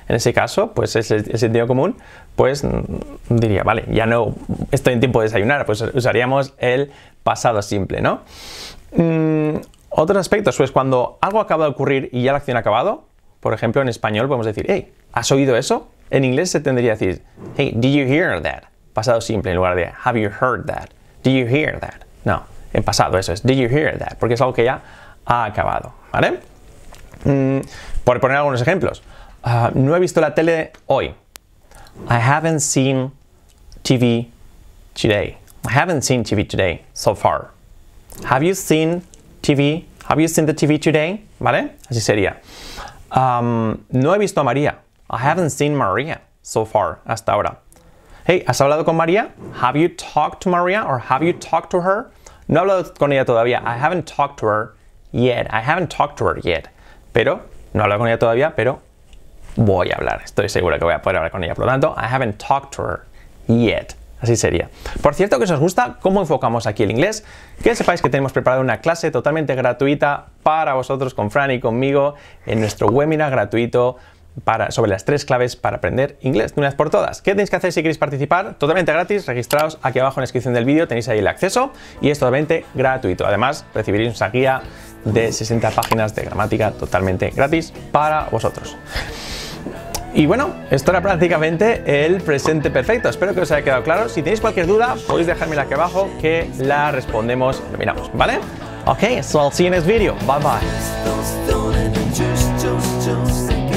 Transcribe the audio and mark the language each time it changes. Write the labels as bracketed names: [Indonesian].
[Spanish] En ese caso, pues es el sentido común, pues diría, vale, ya no estoy en tiempo de desayunar, pues usaríamos el pasado simple, ¿no? Otros aspectos, pues cuando algo acaba de ocurrir y ya la acción ha acabado, por ejemplo, en español podemos decir, hey, ¿has oído eso? En inglés se tendría a decir, hey, [English] did you hear that? [Spanish] Pasado simple, en lugar de, [English] have you heard that? Did you hear that? [Spanish] No, en pasado, eso es, [English] did you hear that? [Spanish] Porque es algo que ya ha acabado, ¿vale? Por poner algunos ejemplos, no he visto la tele hoy. [English] I haven't seen TV today. I haven't seen TV today so far. Have you seen TV? Have you seen the TV today? [Spanish] ¿Vale? Así sería. No he visto a María. [English] I haven't seen Maria so far, [Spanish] hasta ahora. [English] Hey, [Spanish] ¿has hablado con María? [English] Have you talked to Maria or have you talked to her? [Spanish] No he hablado con ella todavía. [English] I haven't talked to her yet. I haven't talked to her yet. [Spanish] Pero, no he hablado con ella todavía, pero voy a hablar. Estoy seguro que voy a poder hablar con ella. Por lo tanto, [English] I haven't talked to her yet. [Spanish] Así sería. Por cierto, que si os gusta, ¿cómo enfocamos aquí el inglés? Que sepáis que tenemos preparada una clase totalmente gratuita para vosotros, con Fran y conmigo, en nuestro webinar gratuito sobre las tres claves para aprender inglés de una vez por todas. ¿Qué tenéis que hacer si queréis participar? Totalmente gratis. Registraos aquí abajo en la descripción del vídeo. Tenéis ahí el acceso y es totalmente gratuito. Además, recibiréis una guía de 60 páginas de gramática totalmente gratis para vosotros. Y bueno, esto era prácticamente el presente perfecto. Espero que os haya quedado claro. Si tenéis cualquier duda, podéis dejármela aquí abajo que la respondemos y lo miramos, ¿vale? [English] Ok, so I'll see you in this video. Bye bye.